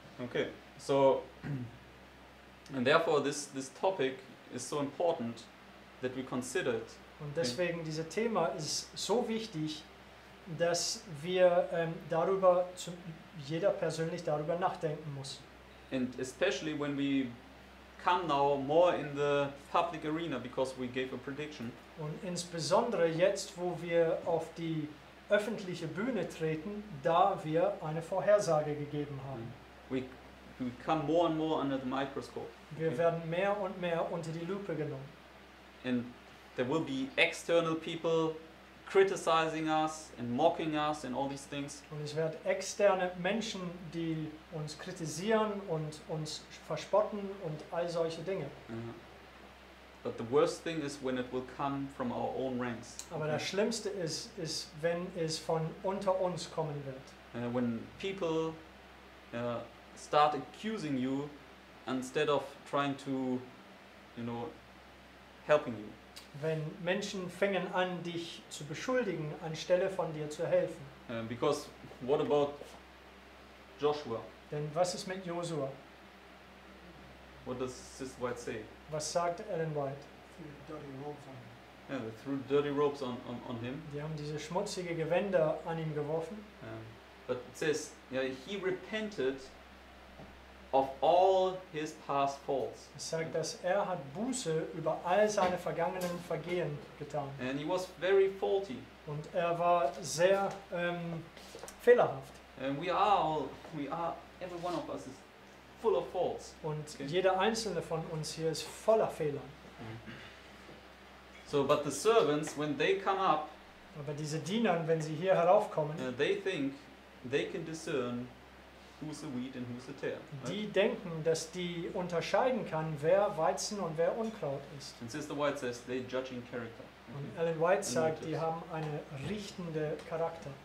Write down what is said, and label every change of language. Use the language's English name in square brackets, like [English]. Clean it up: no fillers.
[English] Okay, so, and therefore this topic is so important that we consider it. [German] Und deswegen, dieses Thema ist so wichtig, dass wir darüber, jeder persönlich darüber nachdenken muss. [English] And especially when we come now more in the public arena, because we gave a prediction. [German] Und insbesondere jetzt, wo wir auf die öffentliche Bühne treten, da wir eine Vorhersage gegeben haben. [English] We come more and more under the microscope. [German] Wir werden mehr und mehr unter die Lupe genommen. [English] And there will be external people criticizing us and mocking us and all these things. [German] Und es werden externe Menschen, die uns kritisieren und uns verspotten und all solche Dinge. [English] But the worst thing is when it will come from our own ranks. [German] Aber das Schlimmste ist, wenn es von unter uns kommen wird. [English] When people start accusing you instead of trying to, you know, helping you. [German] Wenn Menschen fangen an, dich zu beschuldigen, anstelle von dir zu helfen. [English] Because what about Joshua? [German] Denn was ist mit Joshua? [English] What does Sister White say? [German] Was sagt Ellen White? [English] Threw dirty ropes on him. Yeah, they threw dirty ropes on him. [German] Die haben diese schmutzige Gewänder an ihm geworfen. [English] But it says, he repented of all his past faults. [German] Es sagt, dass er hat Buße über all seine vergangenen Vergehen getan. [English] And he was very faulty. [German] Und er war sehr fehlerhaft. [English] And we are, every one of us is full of faults. [German] Und jeder einzelne von uns hier ist voller Fehler. [English] So, but the servants, when they come up, [German] aber diese Diener, wenn sie hier heraufkommen, [English] they think they can discern who's the wheat and who's the tare. [German] Die denken, dass die unterscheiden kann, wer Weizen und wer Unkraut ist. [English] And Sister White says they judge in character. [German] Und Ellen White sagt, die haben eine richtende Charakter.